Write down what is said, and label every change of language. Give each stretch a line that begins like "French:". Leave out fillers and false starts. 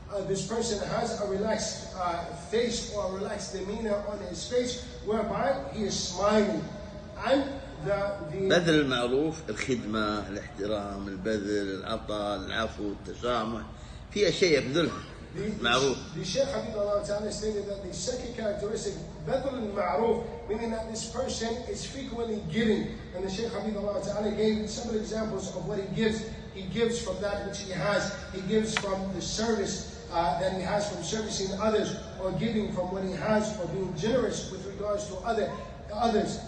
English: This person has a relaxed face or a relaxed demeanor on his face, whereby he is smiling. And the
Arabic: بذل المعروف, الخدمة, الاحترام, البذل, العطاء, العفو, التسامح, في أشياء يبذلها.
English: The Shaykh Hafidullah Ta'ala stated that the second characteristic, Badr al-Ma'ruf, meaning that this person is frequently giving. And the Shaykh Hafidullah Ta'ala gave several examples of what he gives. He gives from that which he has. He gives from the service that he has from servicing others, or giving from what he has, or being generous with regards to others.